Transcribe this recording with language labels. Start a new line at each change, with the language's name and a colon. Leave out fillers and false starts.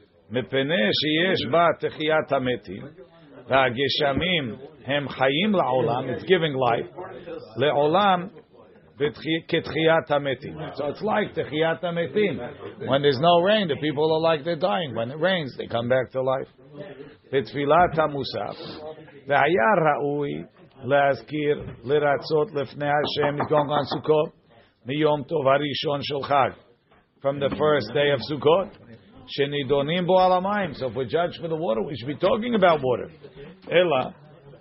Hebrew: מפני שיש בה תחיית המתים והגשמים הם חיים לעולם,
English: it's giving life
Hebrew: לעולם כתחיית המתים.
English: So it's like
Hebrew: תחיית המתים.
English: When there's no rain, the people are like they're dying. When it rains, they come back to life.
Hebrew: בתפילת המוסף והיה ראוי להזכיר, לרצות לפני השם,
English: going on Sukkot,
Hebrew: מיום טוב הראשון של חג,
English: from the first day of Sukkot,
Hebrew: שנידונים בו על המים.
English: So if we judge for the water, we should be talking about water.
Hebrew: אלא,